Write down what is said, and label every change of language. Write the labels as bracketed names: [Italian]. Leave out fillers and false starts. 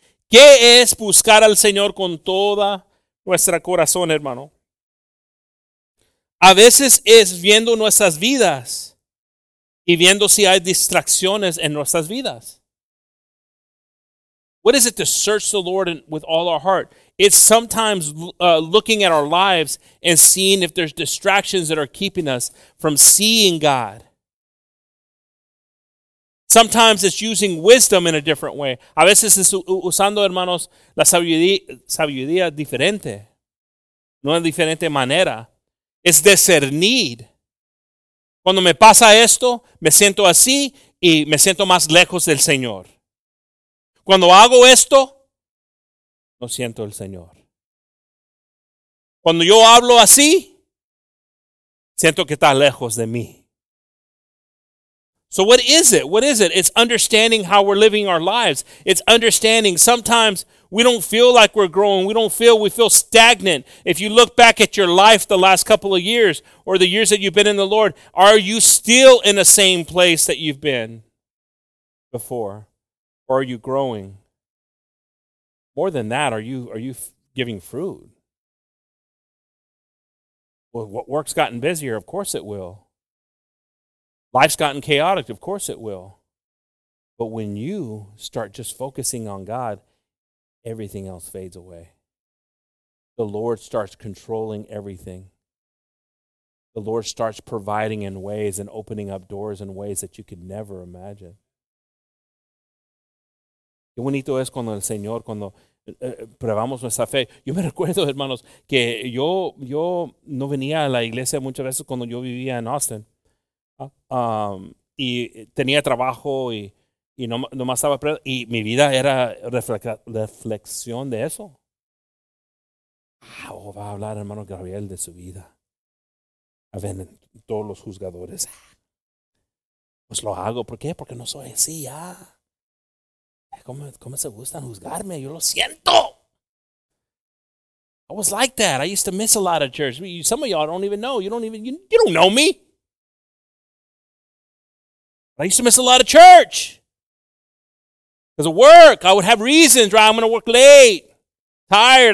[Spanish] ¿Qué es buscar al Señor con toda nuestra corazón, hermano? A veces es viendo nuestras vidas y viendo si hay distracciones en nuestras vidas. [English] What is it to search the Lord with all our heart? It's sometimes looking at our lives and seeing if there's distractions that are keeping us from seeing God. Sometimes it's using wisdom in a different way. [Spanish] A veces es usando, hermanos, la sabiduría diferente. No en diferente manera. Es discernir. Cuando me pasa esto, me siento así y me siento más lejos del Señor. Cuando hago esto, no siento el Señor. Cuando yo hablo así, siento que está lejos de mí. [English] So what is it? What is it? It's understanding how we're living our lives. It's understanding sometimes we don't feel like we're growing. We feel stagnant. If you look back at your life the last couple of years or the years that you've been in the Lord, are you still in the same place that you've been before? Or are you growing? More than that, are you giving fruit? Well, what work's gotten busier? Of course it will. Life's gotten chaotic, of course it will. But when you start just focusing on God, everything else fades away. The Lord starts controlling everything. The Lord starts providing in ways and opening up doors in ways that you could never imagine. [Spanish] Qué bonito es cuando el Señor, cuando probamos nuestra fe. Yo me recuerdo, hermanos, que yo no venía a la iglesia muchas veces cuando yo vivía en Austin. Y tenía trabajo y no más estaba preso, y mi vida era reflexión de eso. Ah, va a hablar hermano Gabriel de su vida. A ver, todos los juzgadores. Pues lo hago, ¿por qué? Porque no soy así ya. ¿Cómo se gustan juzgarme? Yo lo siento. [English] I was like that. I used to miss a lot of church. Some of y'all don't even know. You don't know me. I used to miss a lot of church because of work. I would have reasons, right? I'm going to work late, tired.